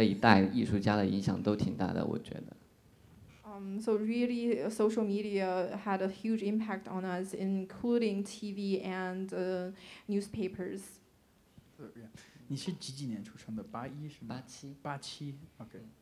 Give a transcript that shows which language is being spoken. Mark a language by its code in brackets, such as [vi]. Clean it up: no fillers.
[zh] 所以说就是这种大众的媒介，包括电视机，然后杂志、报纸，然后对我们这一代艺术家的影响都挺大的，我觉得。 [en] So really, social media had a huge impact on us, including TV and newspapers. [zh] 你是几几年出生的？八一是吗？八七。八七 ，OK。